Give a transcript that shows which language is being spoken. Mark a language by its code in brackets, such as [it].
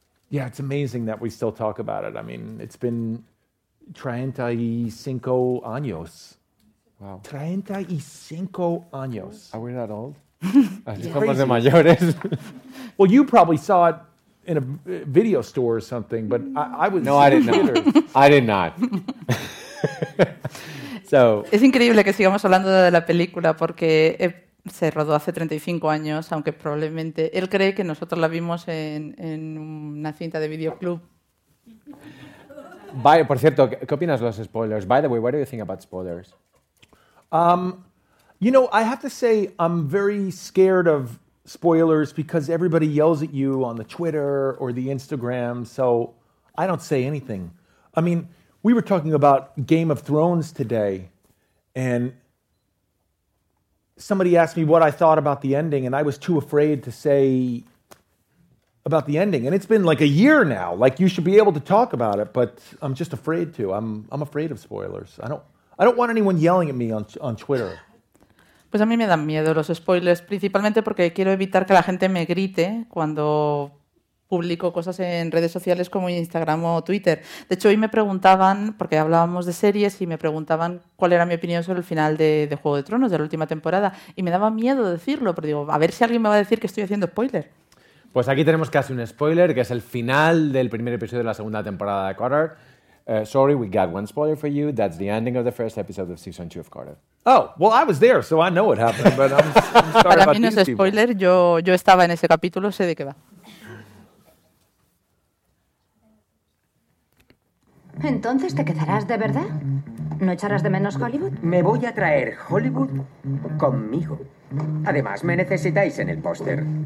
[en] Yeah, it's amazing that we still talk about it. I mean, it's been [es] 35 años. [en] Wow. [es] 35 años. [en] Are we that old? [es] Somos de mayores. [en] Well, you probably saw it in a video store or something, but I was... No, I did not. I did not. So, [es] es increíble que sigamos hablando de la película porque... Se rodó hace 35 años, aunque probablemente él cree que nosotros la vimos en una cinta de videoclub. Por cierto, ¿qué opinas de los spoilers? [en] By the way, what do you think about spoilers? You know, I have to say I'm very scared of spoilers because everybody yells at you on the Twitter or the Instagram, so I don't say anything. I mean, we were talking about Game of Thrones today, and somebody asked me what I thought about the ending, and I was too afraid to say about the ending. And it's been like a year now. Like, you should be able to talk about it, but I'm just afraid to. I'm afraid of spoilers. I don't want anyone yelling at me on Twitter. [es] Pues a mí me dan miedo los spoilers, principalmente porque quiero evitar que la gente me grite cuando publico cosas en redes sociales como Instagram o Twitter. De hecho, hoy me preguntaban, porque hablábamos de series, y me preguntaban cuál era mi opinión sobre el final de Juego de Tronos, de la última temporada. Y me daba miedo decirlo, pero digo, a ver si alguien me va a decir que estoy haciendo spoiler. Pues aquí tenemos casi un spoiler, que es el final del primer episodio de la segunda temporada de Carter. [en] Sorry, we got one spoiler for you. That's the ending of the first episode of season 2 of Carter. Oh, well, I was there, so I know what happened, but I'm sorry. [es] Para [en] about [es] mí no es spoiler, yo estaba en ese capítulo, sé de qué va. ¿Entonces te quedarás de verdad? ¿No echarás de menos Hollywood? Me voy a traer Hollywood conmigo. Además, me necesitáis en el póster.